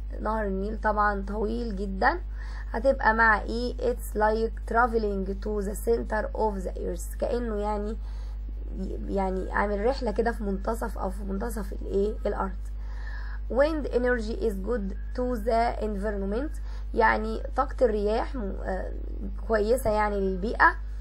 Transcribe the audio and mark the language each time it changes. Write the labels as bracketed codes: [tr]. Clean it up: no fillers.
[ar] نهر النيل طبعا طويل جدا، هتبقى مع E. [en] It's like traveling to the center of the earth. [ar] كأنه يعني عامل رحلة كده في منتصف او في منتصف الايه الارض. [en] Wind energy is good to the environment. [ar] يعني طاقة الرياح كويسة يعني للبيئة.